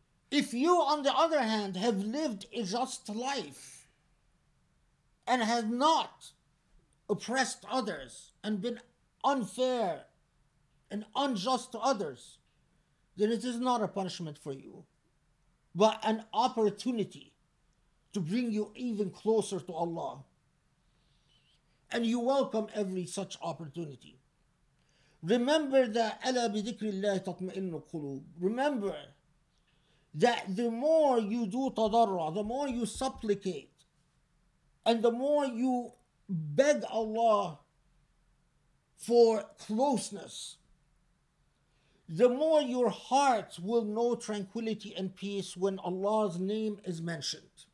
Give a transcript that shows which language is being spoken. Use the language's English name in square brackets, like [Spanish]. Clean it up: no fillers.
[English] If you, on the other hand, have lived a just life and have not oppressed others and been unfair and unjust to others, then it is not a punishment for you, but an opportunity to bring you even closer to Allah. And you welcome every such opportunity. Remember that [Arabic] أَلَا بِذِكْرِ اللَّهِ تَطْمَئِنُّ الْقُلُوبِ. [English] Remember that the more you do tadarra, the more you supplicate, and the more you beg Allah for closeness, the more your heart will know tranquility and peace when Allah's name is mentioned.